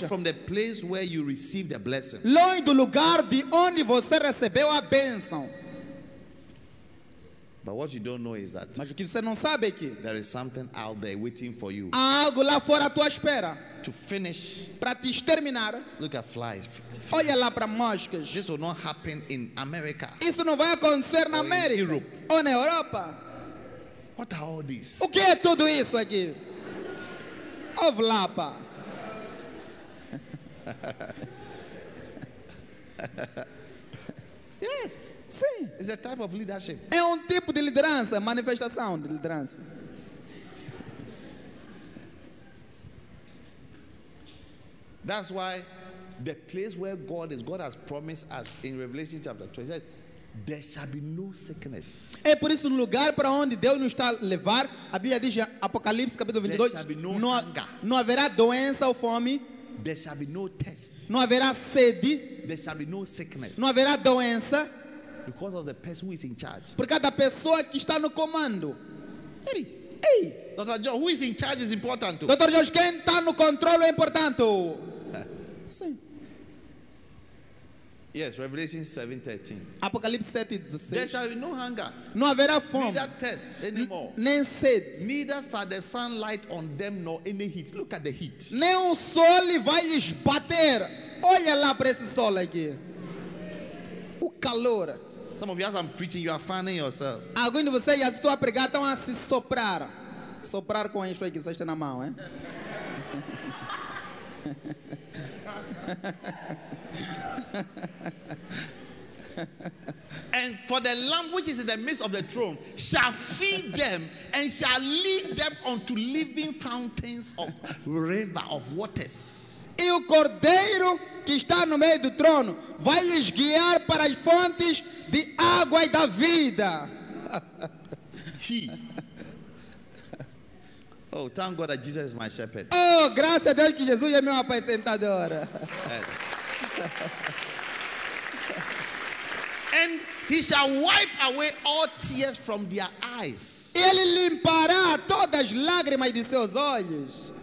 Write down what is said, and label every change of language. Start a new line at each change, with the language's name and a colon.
English: far from the place where you receive the blessing,
Portuguese: longe do lugar de onde você recebeu a bênção.
English: But what you don't know is that,
Portuguese: mas o que você não sabe é que
English: there is something out there waiting for you,
Portuguese: há algo lá fora à tua espera,
English: to finish,
Portuguese: para te exterminar.
English: Look at flies.
Portuguese: Olha lá para moscas.
English: This will not happen in America.
Portuguese: Isso não vai acontecer na América,
English: in Europe,
Portuguese: ou na Europa.
English: What are all these?
Portuguese: O que é tudo isso aqui? Ovlapa.
English: Yes.
Portuguese: Sim.
English: It's a type of leadership.
Portuguese: É tipo de liderança, manifestação de liderança.
English: That's why the place where God is, God has promised us in Revelation chapter 20. There shall be no sickness.
Portuguese: É por isso no lugar para onde Deus nos está a levar, a Bíblia diz em Apocalipse capítulo 22,
English: there shall be no hunger.
Portuguese: Não haverá doença ou fome.
English: There shall be no test.
Portuguese: Não haverá sede.
English: There shall be no sickness.
Portuguese: Não haverá doença.
English: Because of the person who is in charge.
Portuguese: Por causa da pessoa que está no comando. Ei, ei.
English: Dr. George, who is in charge is important.
Portuguese: Dr. George, quem está no controle é importante. Sim.
English: Yes, Revelation 7:13.
Portuguese: Apocalipse 7:16.
English: There shall be no hunger.
Portuguese: Não haverá fome.
English: Neither thirst anymore.
Portuguese: Nem sede.
English: Neither shall the sunlight on them nor any heat. Look at the heat.
Portuguese: Nem o sol vai lhes bater. Olha lá para esse sol aqui. O calor.
English: Some of you as I'm preaching, you are fanning yourself.
Portuguese: Alguns de vocês já estão a pregar, estão a se soprar. Soprar com isso aí que vocês têm na mão, hein?
English: And for the Lamb which is in the midst of the throne shall feed them and shall lead them unto living fountains of river of waters.
Portuguese: E o Cordeiro que está no meio do trono vai lhes guiar para as fontes de água e da vida.
English: Oh, thank God that Jesus is my shepherd.
Portuguese: Oh, graças a Deus que Jesus é meu apacentador.
English: Yes. And he shall wipe away all tears from their eyes.
Portuguese: Ele limpará todas as lágrimas de seus olhos.